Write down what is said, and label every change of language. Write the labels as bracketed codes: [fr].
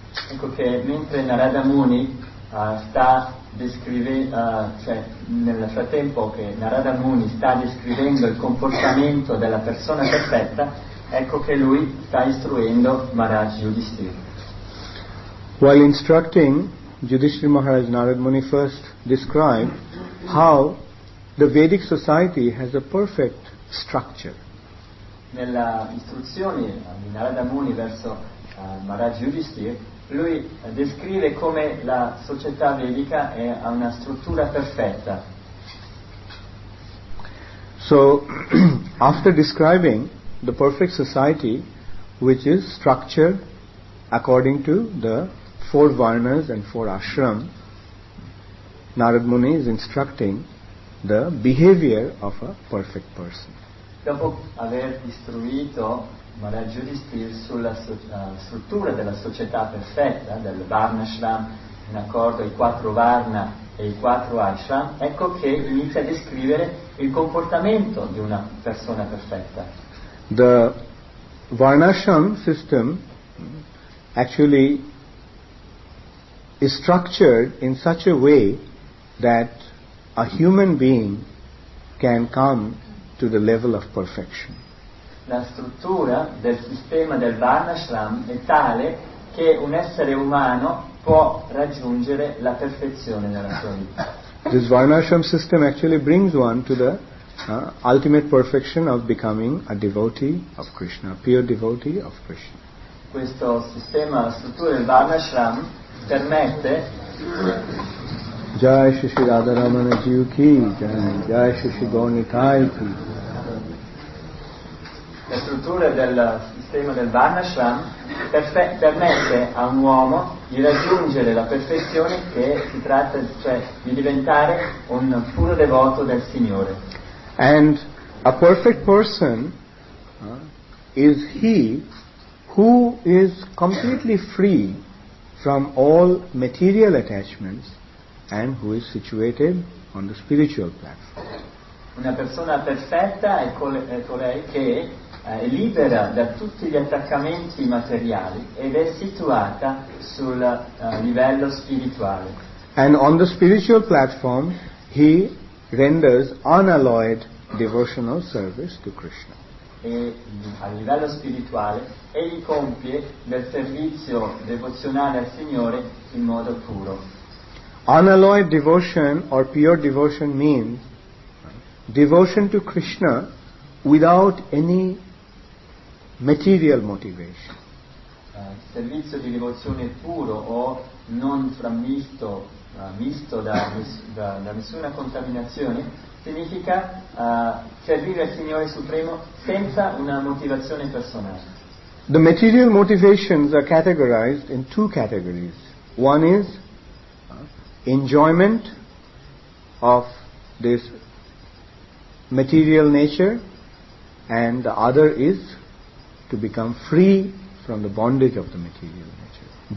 [it] Ecco che mentre Narada Muni sta descrivendo il comportamento della persona perfetta, ecco che lui sta istruendo Maharaj Yudhishthir. [en] While instructing Yudhishthir Maharaj, Narad Muni first described how the Vedic society has a perfect structure. [it] Nella istruzione di Narada Muni verso Maharaj Yudhishthir, lui descrive come la società vedica è a una struttura perfetta. [en] So, after describing the perfect society, which is structured according to the four varnas and four ashram, Narad Muni is instructing the behavior of a perfect person. [it] Dopo aver istruito Maharaj Yudhishthir sulla struttura della società perfetta, del Varna Ashram, in accordo ai quattro Varna e i quattro ashram, ecco che inizia a descrivere il comportamento di una persona perfetta. [en] The Varnashram system actually is structured in such a way that a human being can come to the level of perfection. [it] La struttura del sistema del Varnashram è tale che un essere umano può raggiungere la perfezione nella sua vita. [en] This Varnashram system actually brings one to the ultimate perfection of becoming a devotee of Krishna, a pure devotee of Krishna. [it] Questo sistema, la struttura del Varnashram permette. Jai Shishi Radharamana Jiyuki, Jai Shishi Gonitai Ki. La struttura del sistema del Varnashram permette a un uomo di raggiungere la perfezione, che si tratta, cioè, di diventare un puro devoto del Signore. [en] And a perfect person is he who is completely free from all material attachments and who is situated on the spiritual platform. [it] Una persona perfetta è colei che è libera da tutti gli attaccamenti materiali ed è situata sul livello spirituale. [en] And on the spiritual platform he renders unalloyed devotional service to Krishna. [it] E a livello spirituale egli compie del servizio devozionale al Signore in modo puro. [en] Unalloyed devotion or pure devotion means devotion to Krishna without any material motivation. [it] Servizio di devozione puro o non frammisto, misto da nessuna contaminazione, significa servire il Signore Supremo senza una motivazione personale. [en] The material motivations are categorized in two categories. One is enjoyment of this material nature, and the other is to become free from the bondage of the material nature.